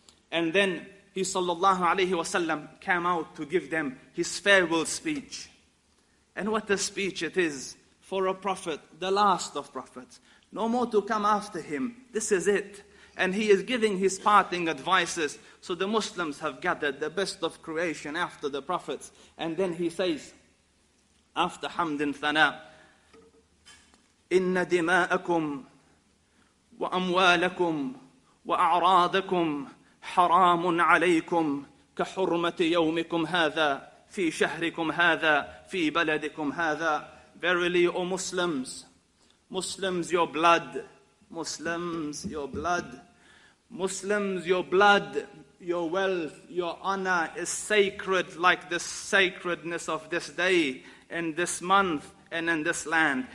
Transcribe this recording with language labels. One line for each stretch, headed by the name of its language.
English: And then he sallallahu alayhi wa sallam came out to give them his farewell speech. And what a speech it is for a prophet, the last of prophets. No more to come after him. This is it. And he is giving his parting advices. So the Muslims have gathered the best of creation after the prophets. And then he says, after Hamd and Thana,
Arabic: إِنَّ دِمَاءَكُمْ وَأَمْوَالَكُمْ وَأَعْرَاضَكُمْ حَرَامٌ عَلَيْكُمْ كَحُرْمَةِ يَوْمِكُمْ هَذَا فِي شَهْرِكُمْ هَذَا فِي بَلَدِكُمْ هَذَا.
English: Verily, O Muslims, your blood, Muslims, your blood, Muslims, your blood, your wealth, your honor is sacred like the sacredness of this day, in this month, and in this land.